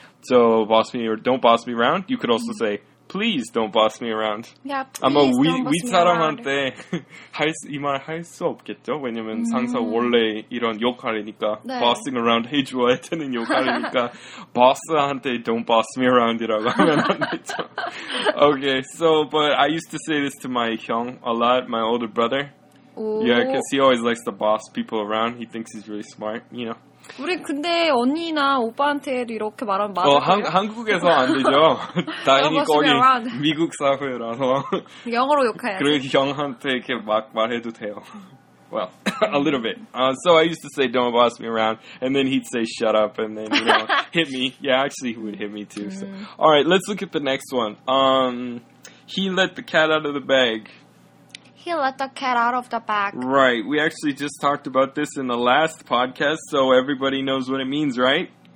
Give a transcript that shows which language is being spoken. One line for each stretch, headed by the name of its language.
English: So, boss me or don't boss me around. You could also say, please don't boss me around. Yeah, please don't boss me around.
Korean: 아마 위 사람한테 할 이 말 할 수 없겠죠? 왜냐면 상사 원래 이런 역할이니까. 네.
English: Bossing around
Korean: 해줘야 되는 역할이니까. Boss한테
English: don't boss me around
Korean: 이라고 하면 안 되죠.
English: Okay, so, but I used to say this to my 형 a lot, my older brother. Ooh. Yeah, because he always likes to boss people around. He thinks he's really smart, you know.
Korean: 우리 근데 언니나 오빠한테 이렇게 말하면 맞을까요? 한국에서 안 되죠. 다행히 거기 미국 사회라서. 영어로 욕해야 그래, 형한테 이렇게 막 말해도 돼요.
English: Well, a little bit. So I used to say, don't boss me around. And then he'd say, shut up. And then, you know, hit me. Yeah, actually, he would hit me too. So. All right, let's look at the next one. He let the cat out of the bag. He let the cat out of the bag. Right. We actually just talked about this in the last podcast, so everybody knows what it means, right?